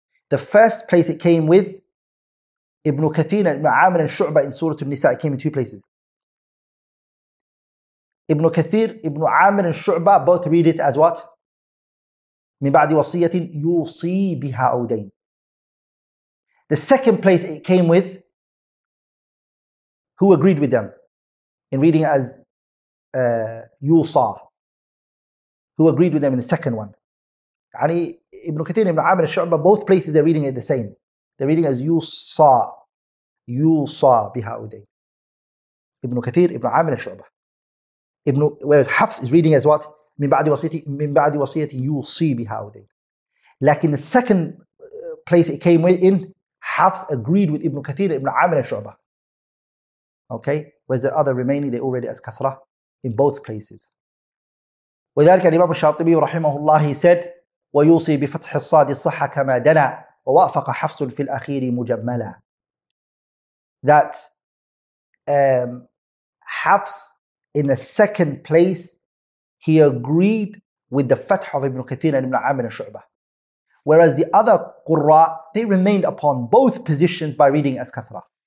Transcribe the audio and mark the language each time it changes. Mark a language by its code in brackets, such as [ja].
[en] The first place it came with Ibn Kathir and Ibn Amir and Shu'bah in Surah Al-Nisa, it came in two places. Ibn Kathir, Ibn Amir and Shu'bah both read it as what? [ar] من بعد وصية يوصي بها أو دين. [en] The second place it came with, who agreed with them in reading as Yusa? Who agreed with them in the second one? Ali Ibn Kathir, Ibn Amr al-Shu'bah, both places they're reading it the same. They're reading as Yusa. [ar] Yusa biha uday. [en] Ibn Kathir, Ibn Amr al-Shu'bah. Whereas Hafs is reading as what? [ar] Min ba'di wasiyati yusi biha uday. [en] Lakin the second place it came in, Hafs agreed with Ibn Kathir, Ibn Amr al-Shu'bah. Okay, whereas the other remaining, they already as kasra in both places. [ar] وذلك الإمام الشاطبي رحمه الله [en] said [ar] ويوصي بفتح الصاد الصحة كما دنا ووافق حفص في الأخير مجملا. [en] That Hafs in the second place, he agreed with the fatḥ of Ibn Kathir and Ibn Amr al-Shu'bah. Whereas the other qurra, they remained upon both positions by reading as kasra.